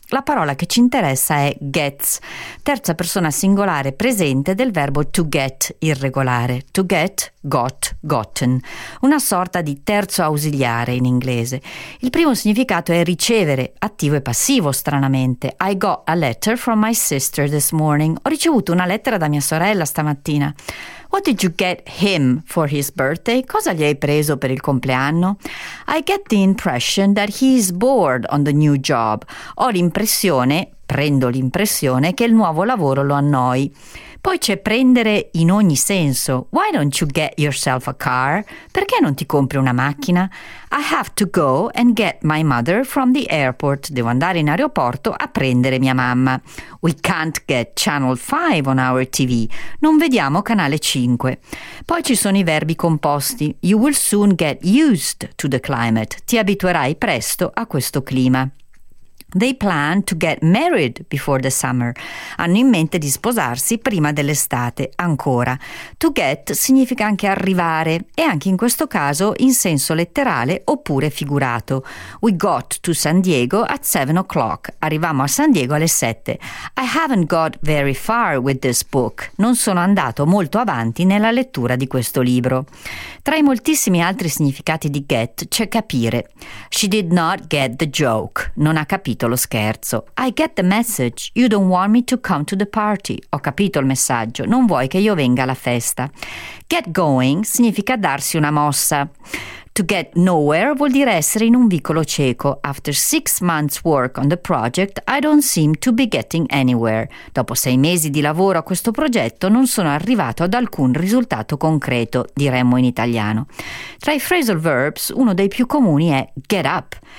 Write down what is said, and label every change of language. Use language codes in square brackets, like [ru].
[it] La parola che ci interessa è gets, terza persona singolare presente del verbo to get irregolare, to get, got, gotten, una sorta di terzo ausiliare in inglese. Il primo significato è ricevere, attivo e passivo stranamente. [en] I got a letter from my sister this morning. [it] Ho ricevuto una lettera da mia sorella stamattina. [en] What did you get him for his birthday? [it] Cosa gli hai preso per il compleanno? [en] I get the impression that he is bored on the new job. [it] Ho l'impressione, prendo l'impressione, che il nuovo lavoro lo annoi. Poi c'è prendere in ogni senso. [en] Why don't you get yourself a car? [it] Perché non ti compri una macchina? [en] I have to go and get my mother from the airport. [it] Devo andare in aeroporto a prendere mia mamma. [en] We can't get channel 5 on our TV. [it] Non vediamo canale 5. Poi ci sono i verbi composti. [en] You will soon get used to the climate. [it] Ti abituerai presto a questo clima. [en] They plan to get married before the summer. [it] Hanno in mente di sposarsi prima dell'estate, ancora. To get significa anche arrivare, e anche in questo caso in senso letterale oppure figurato. [en] We got to San Diego at 7 o'clock. [it] Arrivamo a San Diego alle 7. [en] I haven't got very far with this book. [it] Non sono andato molto avanti nella lettura di questo libro. Tra i moltissimi altri significati di get c'è capire. [en] She did not get the joke. [it] Non ha capito lo scherzo. [en] I get the message. You don't want me to come to the party. [it] Ho capito il messaggio. Non vuoi che io venga alla festa. Get going significa darsi una mossa. To get nowhere vuol dire essere in un vicolo cieco. [en] After 6 months work on the project, I don't seem to be getting anywhere. [it] Dopo 6 mesi di lavoro a questo progetto, non sono arrivato ad alcun risultato concreto, diremmo in italiano. Tra i phrasal verbs, uno dei più comuni è get up.